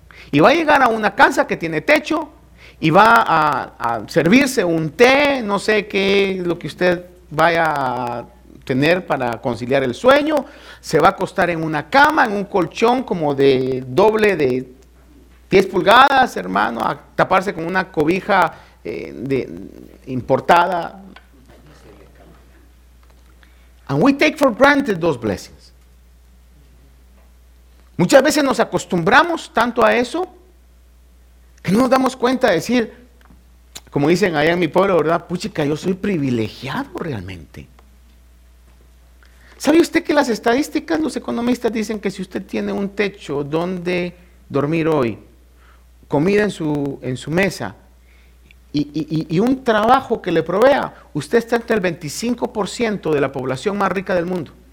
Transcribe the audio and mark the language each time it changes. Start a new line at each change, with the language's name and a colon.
Spanish: y va a llegar a una casa que tiene techo, y va a servirse un té, no sé qué es lo que usted vaya a tener para conciliar el sueño, se va a acostar en una cama, en un colchón como de doble de 10 pulgadas, hermano, a taparse con una cobija de importada.
English: And we take for granted those blessings.
Spanish: Muchas veces nos acostumbramos tanto a eso que no nos damos cuenta de decir, como dicen allá en mi pueblo, ¿verdad? Puchica, yo soy privilegiado realmente. ¿Sabe usted que las estadísticas, los economistas dicen que si usted tiene un techo donde dormir hoy, comida en su mesa, y un trabajo que le provea, usted está entre el 25% de la población más rica del mundo?